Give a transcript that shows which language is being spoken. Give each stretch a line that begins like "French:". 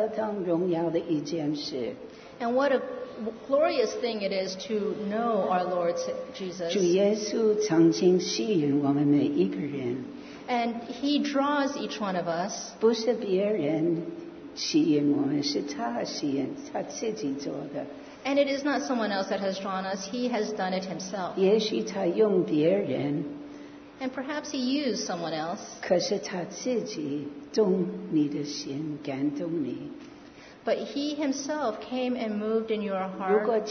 Chinese: 认识我们的主耶稣是何等荣耀的一件事。
English: And what a glorious thing it is to know our Lord Jesus.
Chinese: 主耶稣曾经吸引我们每一个人。
English: And he draws each one of us.
Chinese: 不是别人吸引我们，是他吸引，他自己做的。
English: And it is not someone else that has drawn us. He has done it himself.
Chinese: 也许他用别人。
English: And perhaps he used someone else.
Chinese: 可是他自己动你的心，感动你。
English: But he himself came and moved in your heart.